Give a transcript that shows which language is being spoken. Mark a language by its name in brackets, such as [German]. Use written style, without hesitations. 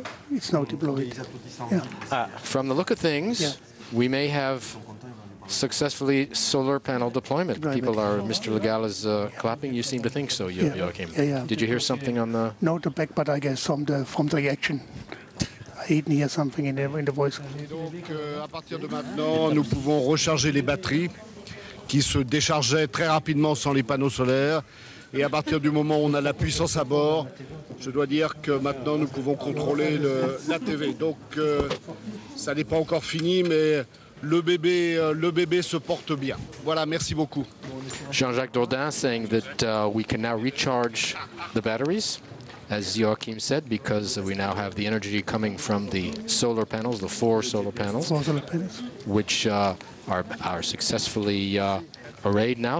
[English] It's now deployed. Yeah. From the look of things, we may have successfully solar panel deployment. People are, Mr. Legal is clapping. You seem to think so, Joachim. Yeah. Did you hear something on the... No, the back, but I guess from the reaction. I didn't hear something in the voice. [French] À partir de maintenant, nous pouvons recharger les batteries qui se déchargeait très rapidement sans les panneaux solaires. Et à partir du moment où on a la puissance à bord, je dois dire que maintenant nous pouvons contrôler l'ATV. Donc ça n'est pas encore fini, mais le bébé se porte bien. Voilà, merci beaucoup. [English] Jean-Jacques Dourdin saying that we can now recharge the batteries, as Joachim said, because we now have the energy coming from the solar panels, the four solar panels, which are successfully arrayed now.